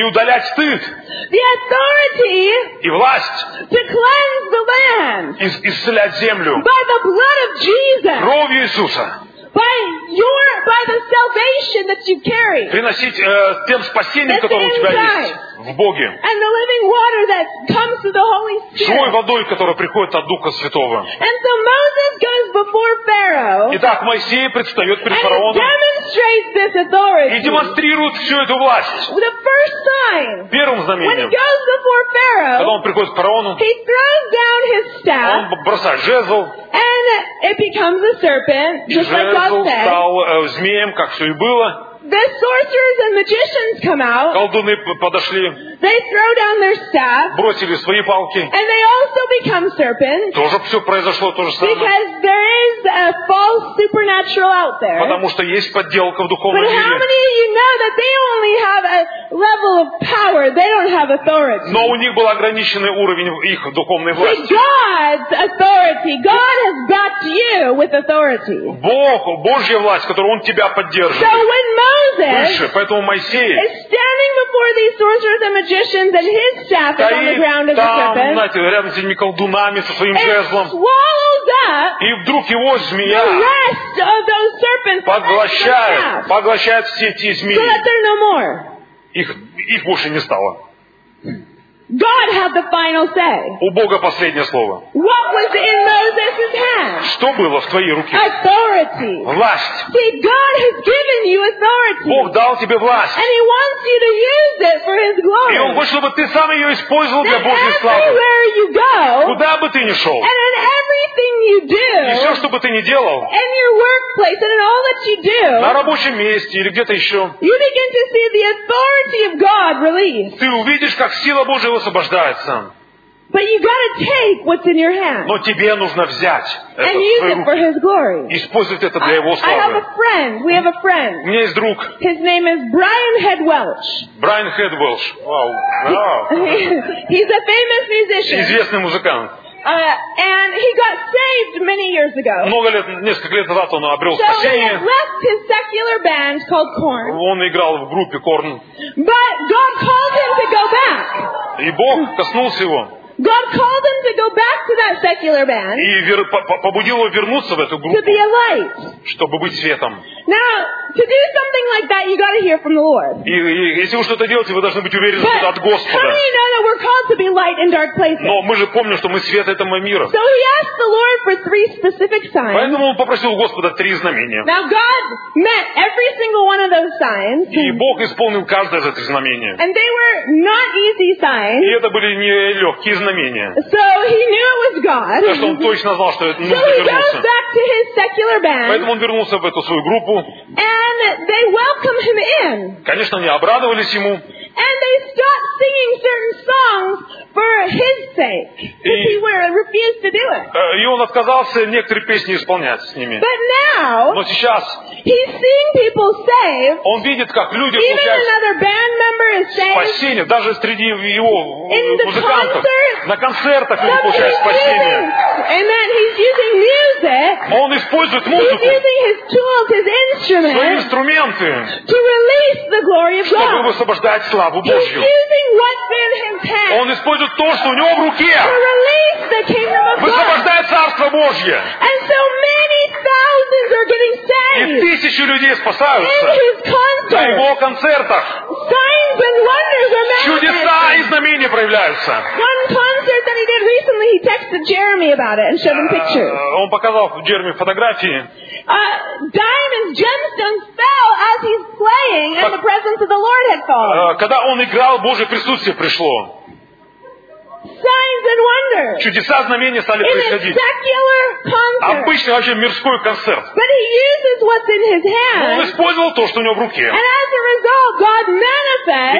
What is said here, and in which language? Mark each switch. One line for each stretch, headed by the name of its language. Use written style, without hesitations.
Russian: И удалять стыд.
English: The authority.
Russian: И власть.
English: To cleanse the land.
Russian: Исцелять землю.
English: By the blood of Jesus.
Russian: Кровью Иисуса.
English: By the salvation that you carry.
Russian: Приносить тем спасением, которое у тебя есть. В Боге.
English: And the living water that comes through the Holy Spirit.
Russian: Живой водой, которая приходит от Духа Святого.
English: And so Moses goes before Pharaoh.
Russian: Итак, Моисей предстает перед фараоном.
English: And demonstrates this authority.
Russian: И демонстрирует всю эту власть.
English: The first sign.
Russian: Первым знамением.
English: When he goes before Pharaoh.
Russian: Когда он приходит к фараону.
English: He throws down his staff.
Russian: Он бросает жезл.
English: And it becomes a serpent, just like God said.
Russian: Жезл стал змеем, как все и было.
English: The sorcerers and magicians come out.
Russian: Колдуны подошли.
English: They throw down their staff.
Russian: Бросили свои палки.
English: And they also become serpents.
Russian: Тоже все произошло то же самое.
English: Because there is a false supernatural out there.
Russian: Потому что есть подделка в духовном мире.
English: But how many of you know that they only have a level of power? They don't have authority.
Russian: Но у них был ограниченный уровень их духовной власти.
English: See, God's authority. God has backed you with authority.
Russian: Бог, Божья власть, которую Он тебя поддерживает.
English: So when Moses
Russian: поэтому Моисей
English: is standing before these sorcerers and magicians and his staff is on the ground as a serpent.
Russian: Знаете, рядом с этими колдунами со своим жезлом. И вдруг его змея поглощает все эти змеи.
English: So that they're no more.
Russian: Их больше не стало.
English: God had the final say.
Russian: У Бога последнее слово.
English: What was in Moses' hand?
Russian: Что было в твоей руке?
English: Authority.
Russian: Власть.
English: See, God has given you authority.
Russian: Бог дал тебе власть.
English: And He wants you to use it for His glory.
Russian: И Он хочет, чтобы ты сам ее использовал
English: that
Russian: для Божьей славы.
English: Everywhere you go.
Russian: Куда бы ты ни шел.
English: And in everything you do.
Russian: И все, что бы ты ни делал.
English: In your workplace and in all that you do.
Russian: На рабочем месте или где-то еще.
English: You begin to see the authority of God released.
Russian: Ты увидишь, как сила Божья освобождается. Но тебе нужно взять это в свои руки. И использовать это для Его славы. У меня есть друг.
English: His name is Brian Head Welch. Brian Head Welch. Wow. He's a famous musician.
Russian: Известный музыкант.
English: And he got saved many years ago.
Russian: Много лет, несколько лет назад он обрел спасение.
English: So he had left his secular band called Korn.
Russian: Он играл в группе Korn.
English: But God called him to go back.
Russian: И Бог коснулся его.
English: God called him to go back to that secular band.
Russian: И побудил его вернуться в эту группу.
English: To be a light.
Russian: Чтобы быть светом.
English: Now, to do something like that, you got to hear from the Lord.
Russian: И если вы что-то делаете, вы должны быть уверены
English: But
Russian: от Господа.
English: How many know that we're called to be light in dark places?
Russian: Но мы же помним, что мы свет этого мира.
English: So he asked the Lord for three specific signs.
Russian: Поэтому он попросил у Господа три знамения.
English: Now God met every single one of those signs.
Russian: И Бог исполнил каждое из этих знамений.
English: And they were not easy signs.
Russian: И это были не легкие знамения.
English: So he knew it was God.
Russian: Потому что он точно знал, что это нужно
English: so
Russian: вернуться.
English: So he goes back to his secular band.
Russian: Поэтому он вернулся в эту свою группу.
English: And they welcome him in.
Russian: Конечно, они обрадовались ему.
English: And they stopped singing certain songs for his sake. Because he refused to do it.
Russian: И он отказался некоторые песни исполнять с ними.
English: But now,
Russian: но сейчас
English: he's seeing people saved,
Russian: он видит, как люди
English: even
Russian: получают
English: another band member is saved,
Russian: спасение, даже среди его
English: in
Russian: музыкантов.
English: The concert,
Russian: на концертах люди получают спасение.
English: And then he's using music,
Russian: он использует музыку,
English: he's using his tools, his instruments,
Russian: свои инструменты,
English: to release the glory of
Russian: Чтобы высвобождать славу Божью.
English: He's using what's in his hand,
Russian: он использует то, что у него в руке.
English: To release the kingdom of God.
Russian: Высвобождает Царство Божье.
English: And so many thousands are getting saved.
Russian: И тысячи людей спасаются на его концертах.
English: Signs and wonders are manifest.
Russian: Чудеса и знамения проявляются.
English: One concert that he did recently, he texted Jeremy about it and showed him pictures.
Russian: Он показал Джереми фотографии.
English: Diamonds, gemstones fell as he's playing, and the presence of the Lord had fallen.
Russian: Когда он играл, Божье присутствие пришло.
English: Signs and wonders.
Russian: Чудеса, знамения стали происходить.
English: In a secular concert.
Russian: Обычный вообще мирской концерт.
English: But he uses what's in his hand.
Russian: Он использовал то, что у него в руке.
English: And as a result, God manifests.